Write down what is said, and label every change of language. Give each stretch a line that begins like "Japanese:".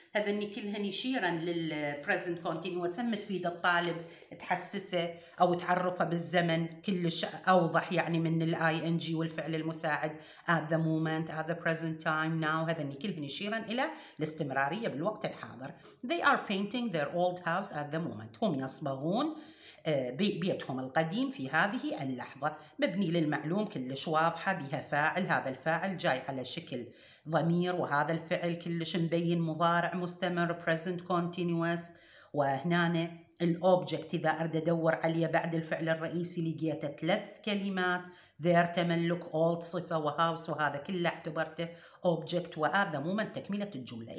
Arabic: هذا إني كلها نشيرا لل
English: present continuous،
Arabic: هم تفيد الطالب تحسسه أو تعرفه بالزمن، كلش أوضح يعني من ال ing والفعل المساعد
English: at the moment at the present time now.
Arabic: هذا إني كلها نشيرا إلى الاستمرارية بالوقت الحاضر.
English: They are painting their old house at the moment.
Arabic: هم يصبغون بيتهم القديم في هذه اللحظة. مبني للمعلوم كلش واضحة، بها فاعل، هذا الفاعل جاي على شكل ضمير، وهذا الفعل كلش مبين مضارع مستمر
English: present continuous،
Arabic: وهنا الأوبجكت إذا أرد أدور عليه بعد الفعل الرئيسي لقيته ثلاث كلمات، their تملك old صفة وهاوس، وهذا كله اعتبرته أوبجكت، وهذا مو من تكملة الجملة.